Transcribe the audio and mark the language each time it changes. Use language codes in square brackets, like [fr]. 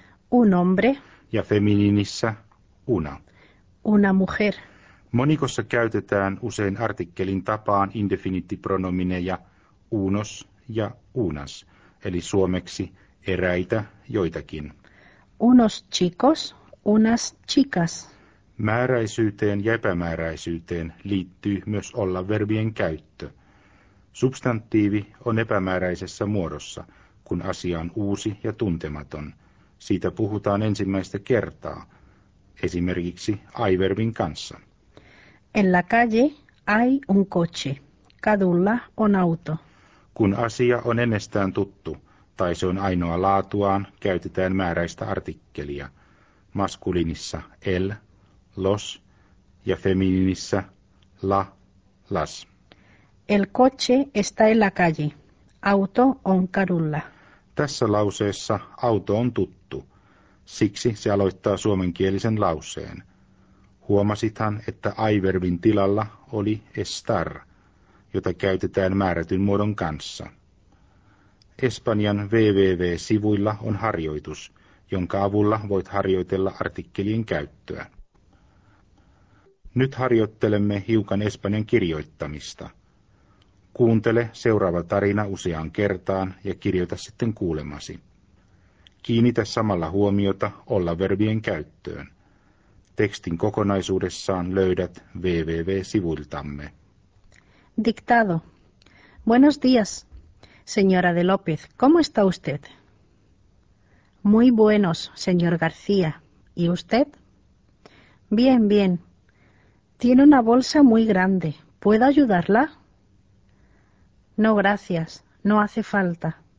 [es] un hombre, [fi] ja feminiinissä una, [es] una mujer. [fi] Monikossa käytetään usein artikkelin tapaan indefinittipronomineja unos ja unas, eli suomeksi eräitä joitakin. Unos chicos, unas chicas. Määräisyyteen ja epämääräisyyteen liittyy myös olla-verbien käyttö. Substantiivi on epämääräisessä muodossa, kun asia on uusi ja tuntematon. Siitä puhutaan ensimmäistä kertaa, esimerkiksi ai-verbin kanssa. [es] En la calle hay un coche. [fi] Kadulla on auto. Kun asia on ennestään tuttu, tai se on ainoa laatuaan, käytetään määräistä artikkelia. Maskuliinissa el, los, ja feminiinissa la, las. [es] El coche está en la calle. [fi] Auto on kadulla. Tässä lauseessa auto on tuttu. Siksi se aloittaa suomenkielisen lauseen. Huomasithan, että ai-verbin tilalla oli estar, jota käytetään määrätyn muodon kanssa. Espanjan www-sivuilla on harjoitus, jonka avulla voit harjoitella artikkelien käyttöä. Nyt harjoittelemme hiukan espanjan kirjoittamista. Kuuntele seuraava tarina useaan kertaan ja kirjoita sitten kuulemasi. Kiinnitä samalla huomiota olla-verbien käyttöön. Tekstin kokonaisuudessaan löydät www-sivuiltamme. [es] Dictado. Buenos días, señora de López. ¿Cómo está usted? Muy buenos, señor García. ¿Y usted? Bien, bien. Tiene una bolsa muy grande. ¿Puedo ayudarla? No, gracias. No hace falta.